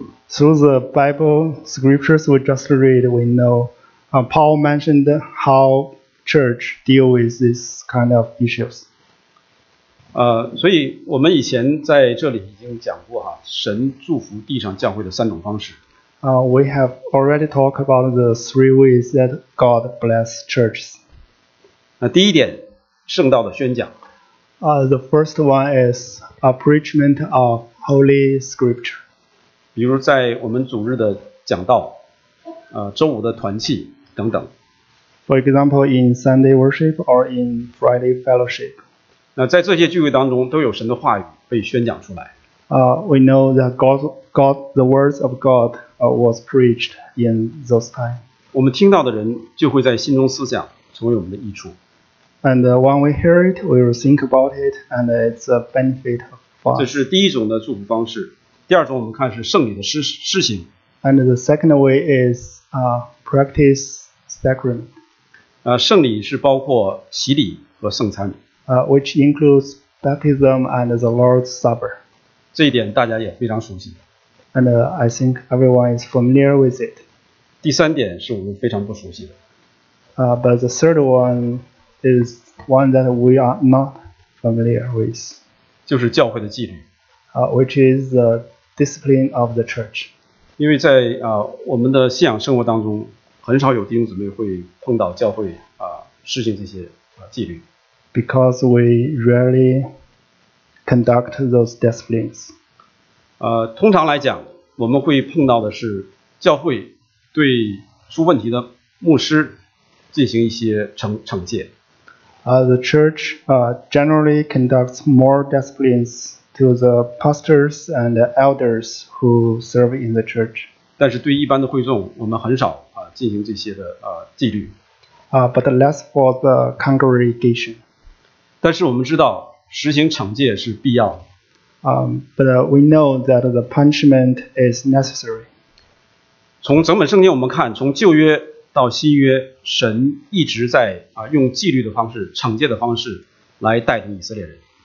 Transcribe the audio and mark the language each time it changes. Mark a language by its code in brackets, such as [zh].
[en] Through the Bible scriptures we just read, we know, Paul mentioned how church deal with this kind of issues. [zh] 所以我们以前在这里已经讲过哈，神祝福地上教会的三种方式。 [en] We have already talked about the three ways that God bless churches. [zh] 第一点，圣道的宣讲。 [en] The first one is a preachment of Holy Scripture. [zh] 比如在我们主日的讲道，周五的团契等等。 [en] For example, in Sunday worship or in Friday fellowship. [zh] 在这些聚会当中都有神的话语被宣讲出来。 [en] We know that the words of God was preached in those times. [zh] 我们听到的人就会在心中思想，成为我们的益处。 [en] And when we hear it, we will think about it, and it's a benefit for us. [zh] 这是第一种的祝福方式。第二种我们看是圣礼的施行。 [en] And the second way is practice sacrament. [zh] 圣礼是包括洗礼和圣餐。 [en] Which includes baptism and the Lord's Supper. [zh] 这一点大家也非常熟悉。 [en] And I think everyone is familiar with it. [zh] 第三点是我们非常不熟悉的。 [en] But the third one is one that we are not familiar with. [zh] 就是教会的纪律。 [en] Which is the discipline of the church. [zh] 因为在我们的信仰生活当中，很少有弟兄姊妹会碰到教会实行这些纪律。 [en] Because we rarely conduct those disciplines. [zh] 通常来讲，我们会碰到的是教会对出问题的牧师进行一些惩戒。 [en] The church generally conducts more disciplines to the pastors and the elders who serve in the church. [zh] 但是对一般的会众，我们很少进行这些的纪律。 [en] But less for the congregation. [zh] 但是我们知道实行惩戒是必要的。 [en] But we know that the punishment is necessary. [zh] 从整本圣经我们看，从旧约到新约，神一直在用纪律的方式、惩戒的方式来带领以色列人。